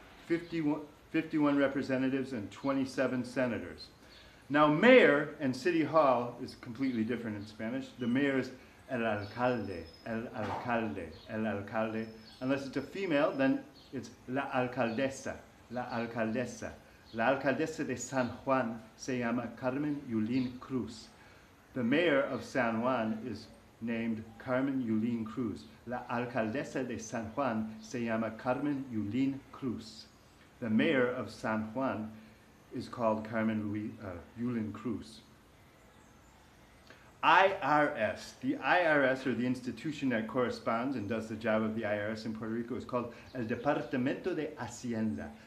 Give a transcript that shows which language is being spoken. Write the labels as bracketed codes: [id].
[en] 51 representatives and 27 senators. Now, mayor and city hall is completely different in Spanish. The mayor is [es] el alcalde. [en] Unless it's a female, then it's [es] la alcaldesa. La alcaldesa de San Juan se llama Carmen Yulín Cruz. [en] The mayor of San Juan is named Carmen Yulín Cruz. [es] La alcaldesa de San Juan se llama Carmen Yulín Cruz. [en] The mayor of San Juan is called Carmen Yulín Cruz. IRS, the IRS, or the institution that corresponds and does the job of the IRS in Puerto Rico, is called El Departamento de Hacienda.